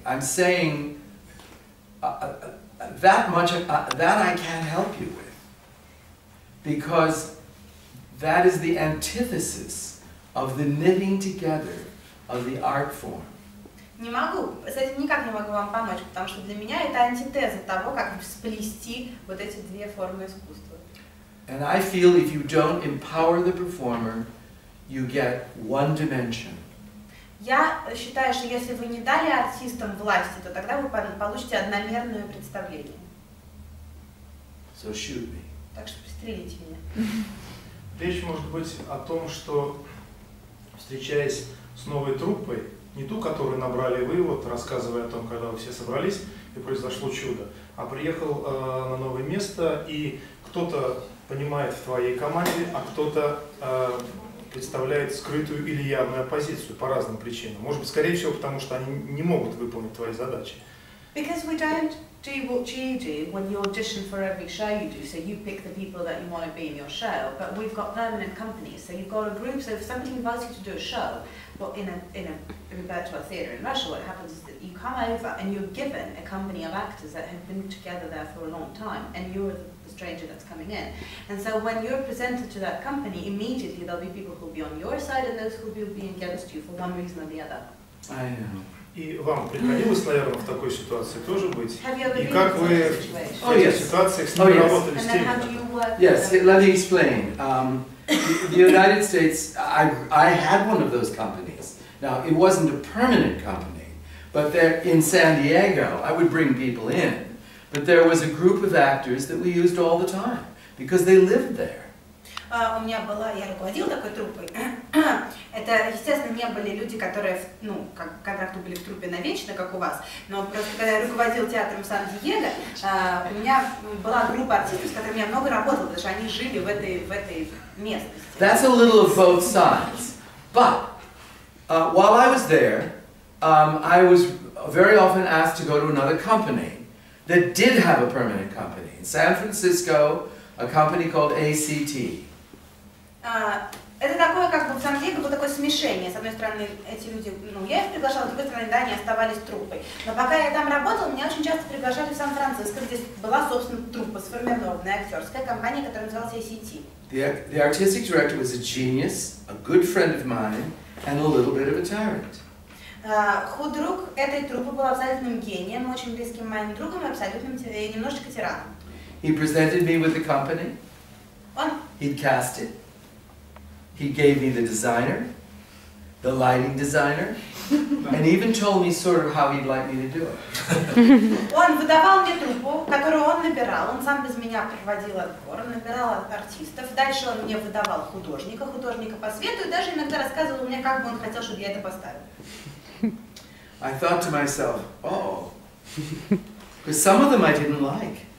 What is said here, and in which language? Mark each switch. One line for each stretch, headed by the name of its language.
English: I'm saying that I can't help you with, because that is the antithesis of the knitting together of the art form.
Russian: Не могу, с этим никак не могу вам помочь, потому что для меня это антитеза того, как сплести вот эти две формы искусства.
English: And I feel if you don't empower the performer, you get one dimension.
Russian: Я считаю, что если вы не дали артистам власти, то тогда вы получите одномерное представление.
English: So shoot me.
Russian: Так что пристрелите меня. Речь может быть о том, что, встречаясь с новой труппой, не ту, которую набрали вы, вот, рассказывая о том, когда вы все собрались, и произошло чудо, а приехал на новое место, и кто-то понимает в твоей команде, а кто-то... представляет скрытую или явную оппозицию по разным причинам. Может быть, скорее всего, потому что они не могут выполнить твои задачи.
English: Because we don't do what you do when you audition for every show you do. So you pick the people that you want to be in your show, but we've got permanent companies. So you've got a group. So if somebody invites you to do a show, well, in a virtual theatre in Russia, what happens is that you come over and you're given a company of actors that have been together there for a long time, and you're the stranger that's coming in. And so when you're presented to that company, immediately there'll be people who'll be on your side and those who'll be against you for one reason or the other. I know.
Russian: И вам приходилось, наверное, в такой ситуации тоже быть? И как вы в этих ситуациях с ними работали, с теми?
English: Yes, let me explain. The United States, I had one of those companies. Now, it wasn't a permanent company, but there in San Diego, I would bring people in. But there was a group of actors that we used all the time, because they lived there.
Russian: У меня была, я руководила такой труппой. Это, естественно, не были люди, которые, ну, как контракты были в труппе навечно, как у вас, но просто когда я руководила театром в Сан-Диего, у меня была группа артистов, с которыми я много работала, потому что они жили в этой местности.
English: That's a little of both sides. But while I was there, I was very often asked to go to another company that did have a permanent company. In San Francisco, a company called ACT.
Russian: Это такое, как бы, в Сан-Диего было такое смешение. С одной стороны, эти люди, ну, я их приглашала, с другой стороны, да, они оставались труппой. Но пока я там работала, меня очень часто приглашали в Сан-Франциско, где была, собственно, труппа, сформированная актерская компания, которая называлась ACT.
English: The artistic director was a genius, a good friend of mine, and a little bit of a tyrant.
Russian: Худрук этой труппы был абсолютным гением, очень близким моим другом, абсолютным немножечко тираном.
English: He presented me with the company.
Russian: Он?
English: He'd cast it. He gave me the designer, the lighting designer, and even told me sort of how he'd like me to do it.
Russian: Он выдавал мне труппу, которую он набирал. Он сам без меня проводил отбор, набирал артистов. Дальше он мне выдавал художника, художника по свету, и даже иногда рассказывал мне, как бы он хотел, чтобы я это поставил.
English: I thought to myself, oh, because some of them I didn't like.